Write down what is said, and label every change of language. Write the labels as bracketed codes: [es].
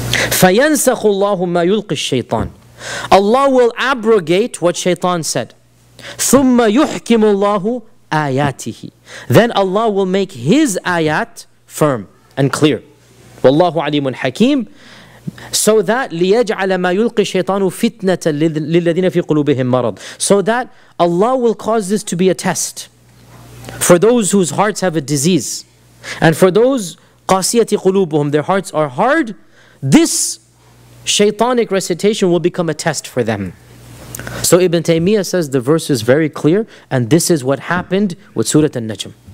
[ar] فَيَنْسَخُ اللَّهُ مَا يُلْقِ الشَّيْطَانُ, [en] Allah will abrogate what shaitan said. [ar] ثُمَّ يُحْكِمُ اللَّهُ آيَاتِهِ, [en] then Allah will make his ayat firm and clear. [ar] وَاللَّهُ عَلِيمٌ حَكِيمٌ, [en] So that [ar] لِيَجْعَلَ مَا يُلْقِي الشَّيْطَانُ فِتْنَةً لِلَّذِينَ فِي قُلُوبِهِمْ مَرَضٍ. [en] So that Allah will cause this to be a test for those whose hearts have a disease, and for those [ar] قَاسِيَةِ قُلُوبُهُمْ, [en] their hearts are hard, this shaitanic recitation will become a test for them. So Ibn Taymiyyah says the verse is very clear, and this is what happened with Surah An-Najm.